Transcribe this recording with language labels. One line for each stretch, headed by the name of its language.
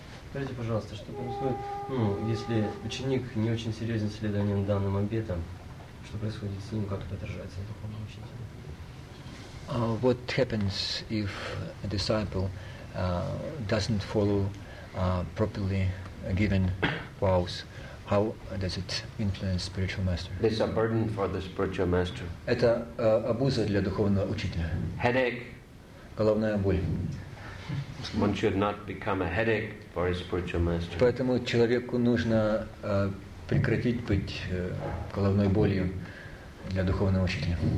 Russian: Скажите, пожалуйста, что происходит, если ученик не очень серьезен следованием данным обетам, что происходит с ним, как это отражается на духовном учителе?
English: What happens if a disciple doesn't follow properly given vows? How does it influence spiritual master? It's a burden for the spiritual master.
Russian: Это обуза для духовного учителя.
English: Headache.
Russian: Головная боль.
English: One should not become a headache for his spiritual master.
Russian: Поэтому человеку нужно прекратить быть головной болью для духовного учителя.